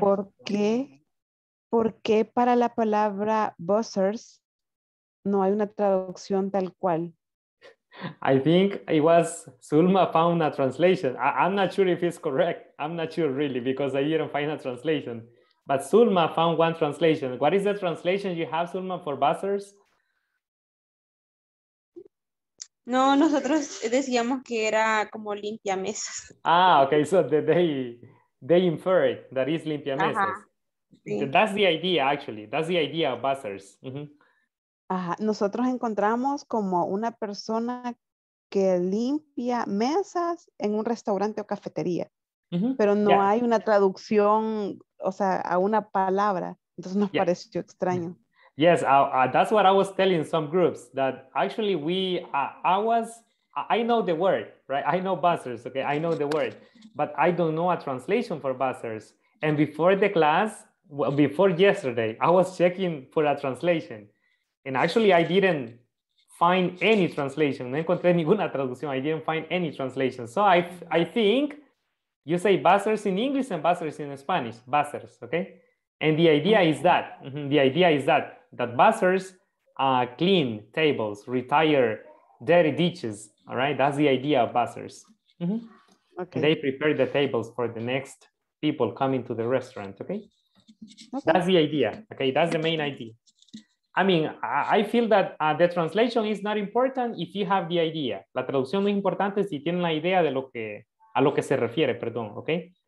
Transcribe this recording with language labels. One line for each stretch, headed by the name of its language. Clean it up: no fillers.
Spanish: ¿Por qué para la palabra buzzers no hay una traducción tal cual?
English: I think it was Zulma found a translation. I'm not sure if it's correct. I'm not sure really because I didn't find a translation. But Zulma found one translation. What is the translation you have, Zulma, for buzzers?
Spanish: No, nosotros decíamos que era como limpia mesas.
English: Ah, okay. So they infer it, that is
Spanish: limpia mesas.
English: Uh-huh. That's the idea, actually. That's the idea of buzzers. Mm-hmm. Ajá.
Spanish: Nosotros encontramos como una persona que limpia mesas en un restaurante o cafetería. Mm-hmm. Pero no
English: yeah.
Spanish: hay una traducción, o sea, a una palabra. Entonces nos
English: yeah.
Spanish: pareció extraño.
English: Yes, that's what I was telling some groups. That actually I know the word, right? I know buzzers, okay? I know the word. But I don't know a translation for buzzers. And before the class... Well, before yesterday, I was checking for a translation. And actually, I didn't find any translation.
Spanish: No encontré ninguna traducción.
English: I didn't find any translation. So I think you say buzzers in English and buzzers in Spanish. Buzzers, okay? And the idea is that. The idea is that buzzers clean tables, retire dirty dishes. All right? That's the idea of buzzers. Mm-hmm. Okay. They prepare the tables for the next people coming to the restaurant, okay? Okay. That's the idea. Okay, that's the main idea. I mean, I feel that the translation is not important if you have the idea.
Spanish: La traducción no es importante si tienen la idea de a lo que se refiere, perdón, okay?